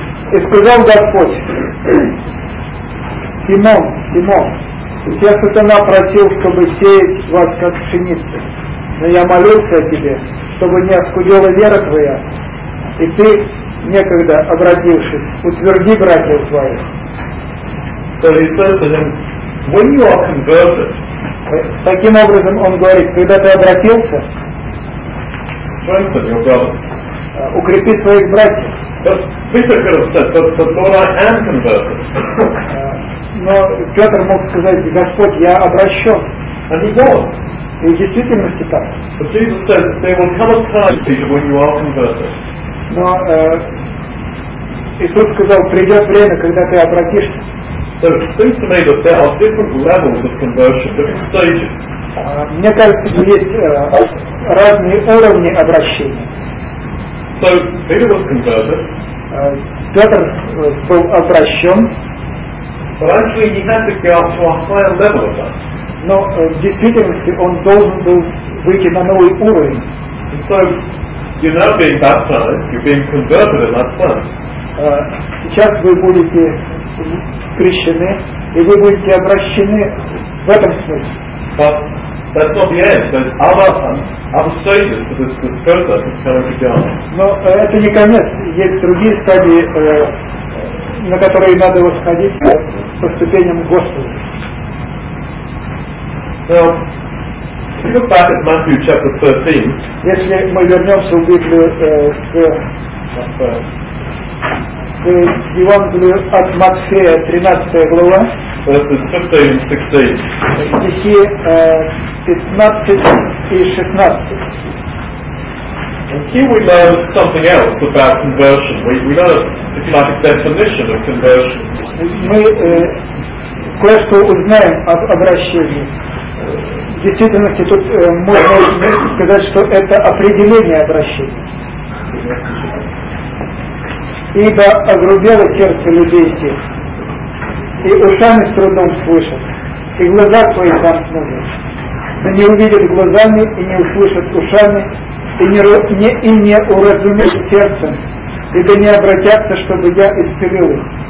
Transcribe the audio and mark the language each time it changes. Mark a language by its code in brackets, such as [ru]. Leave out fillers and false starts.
[ru] И сказал Господь: Симон, Симон, все сатана просил, чтобы сеять вас, как пшеницу. Но я молился о тебе, чтобы не оскудела вера твоя, и ты, некогда обратившись, утверди братьев твоих. [en] So he says to him, when you are converted, [ru] таким образом он говорит, когда ты обратился, [en] strengthen your brothers. [ru] Укрепи своих братьев. [en] Peter could have said, but Lord, I am converted. [ru] Но Петр мог сказать, Господь, я обращен. [en] And he was. [ru] И в действительности так. [en] But Jesus says, there will come a time, Peter, when you are converted. [ru] Но Иисус сказал, придет время, когда ты обратишься. [en] So it seems to me that there are different levels of conversion, different stages. [ru] Мне кажется, есть разные уровни обращения. [en] So Peter was converted. [ru] Петр был обращен. [en] But actually he had to go up to a higher level of that. [ru] Но в действительности он должен был выйти на новый уровень. [en] And so you're now being baptized, you're being converted in that sense. [ru] Сейчас вы будете крещены, и вы будете обращены в этом смысле. [en] But that's not the end. There's other stages to this process of coming to God. [ru] Но это не конец. Есть другие стадии, на которые надо восходить по ступеням Господа. [en] Now, if you look back at Matthew chapter 13, [ru] если мы вернемся в Библию к Евангелию от Матфея, 13 глава, [en] verses 15 and 16, [ru] стихи 15 и 16. [en] And here we learn something else about conversion. We learn, if you like, a definition of conversion. [ru] Мы кое-что узнаем об обращении. В действительности тут можно сказать, что это определение обращения. Ибо огрубело сердце людейских, и ушами с трудом слышат, и глаза твои замкнули, но не увидят глазами и не услышат ушами, и не уразумеют сердцем, и да не обратятся, чтобы я исцелил их.